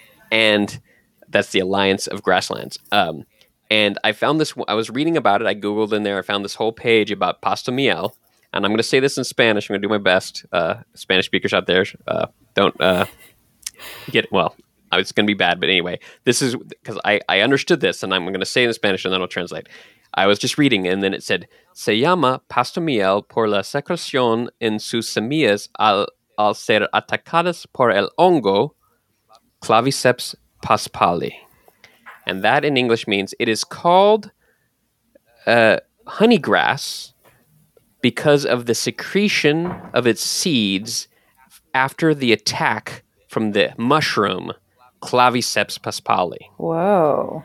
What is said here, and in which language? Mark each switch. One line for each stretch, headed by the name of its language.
English: And that's the Alliance of Grasslands. And I found this, I was reading about it, I Googled in there, I found this whole page about Pasto Miel, and I'm going to say this in Spanish, I'm going to do my best. Spanish speakers out there, it's going to be bad, but anyway, this is, because I understood this, and I'm going to say it in Spanish, and then I'll translate. I was just reading, and then it said,
Spanish: se llama Pasto Miel por la secreción en sus semillas al ser atacadas por el hongo Claviceps paspali.
English: And that in English means it is called honeygrass because of the secretion of its seeds after the attack from the mushroom Claviceps paspali. Whoa.